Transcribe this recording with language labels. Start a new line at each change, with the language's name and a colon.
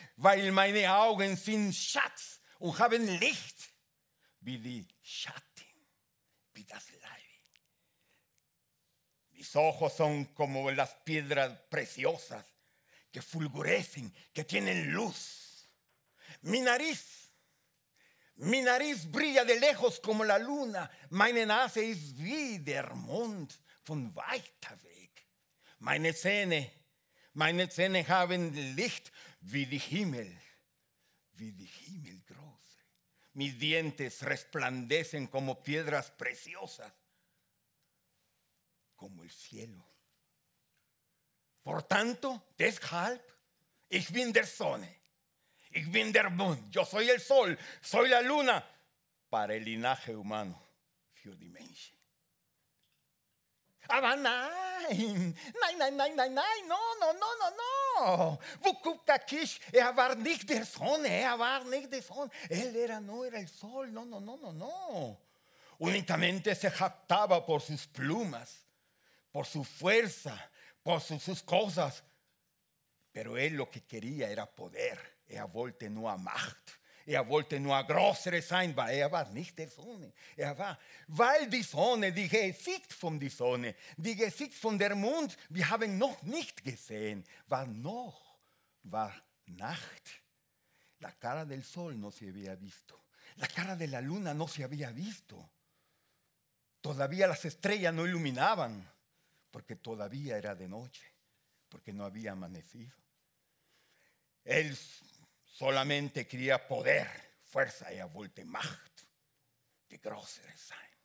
German: Weil meine Augen sind Schatz und haben Licht. Wie die Schatten. Wie das Leben.
Spanish: Mis ojos son como las piedras preciosas que fulgurecen, que tienen luz. Mi nariz brilla de lejos como la luna.
German: Meine Nase ist wie der Mond von weiter weg. Meine Zähne haben Licht wie die Himmel große.
Spanish: Mis dientes resplandecen como piedras preciosas, como el cielo. Por tanto,
German: deshalb, ich bin der Sonne. Ich bin der Mond,
Spanish: yo soy el sol, soy la luna, para el linaje humano,
German: für die Menschen. Aber nein, nein, nein, nein, nein, nein, nein,
Spanish: no, no, no, no, no.
German: Wukukakish, er war nicht der Sonne, er war nicht der Sonne.
Spanish: Él era, no era el sol, no, no, no, no, no. Únicamente se jactaba por sus plumas, por su fuerza, por sus cosas. Pero él lo que quería era poder.
German: Er wollte nur Macht. Er wollte nur größer sein, weil er war nicht der Sonne. Er war, weil die Sonne, die Gesicht von der Sonne, die Gesicht von der Mond, wir haben noch nicht gesehen, war Nacht.
Spanish: La cara del sol no se había visto. La cara de la luna no se había visto. Todavía las estrellas no iluminaban, porque todavía era de noche, porque no había amanecido. Él solamente quería poder, fuerza,
German: er wollte Macht, die größere sein.